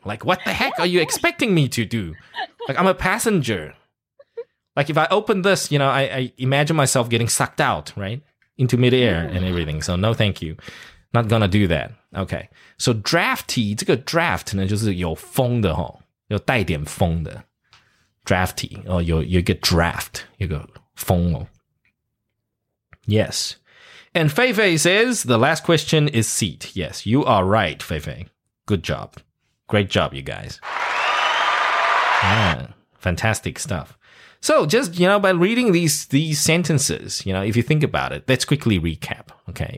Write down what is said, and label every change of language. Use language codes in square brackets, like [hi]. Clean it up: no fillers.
[en] Like, what the heck are you expecting me to do? Like, I'm a passenger. Like, if I open this, you know, I imagine myself getting sucked out, right? Into midair and everything. So no thank you. Not gonna do that. Okay. [zh] So drafty, 这个 draft 呢就是有风的齁，有带点风的。 Drafty, 哦，有一个 draft, 有个风哦。 [en] Yes. And Feifei says, the last question is seat. Yes, you are right, Feifei. Good job. Great job, you guys. Yeah, fantastic stuff. So just, you know, by reading these sentences, you know, if you think about it, let's quickly recap, okay?